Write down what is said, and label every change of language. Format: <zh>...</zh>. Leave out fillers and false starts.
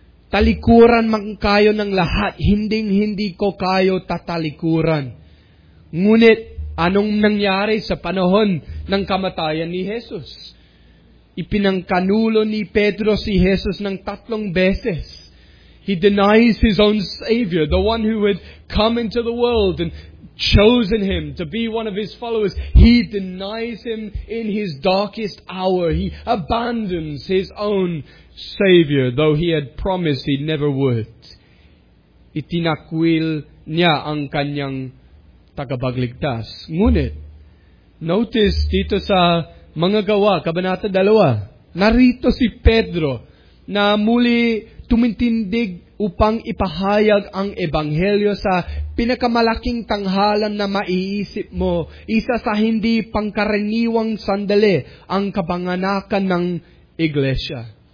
<tl>Talikuran man kayo ng lahat, hinding-hindi ko kayo tatalikuran. Ngunit, anong nangyari sa panahon ng kamatayan ni Jesus? Ipinangkanulo ni Pedro si Jesus ng 3 beses.</tl> <en>He denies his own Savior, the one who had come into the world and chosen him to be one of his followers. He denies him in his darkest hour. He abandons his own Savior, though he had promised he never would.</en> <tl>Itinakwil niya ang kanyang tagapagligtas. Ngunit, notice dito sa mga gawa, kabanata 2, narito si Pedro na muli tumintindig upang ipahayag ang Ebanghelyo sa pinakamalaking tanghalan na maiisip mo, isa sa hindi pangkaraniwang sandali ang kabanganakan ng Iglesia.</tl>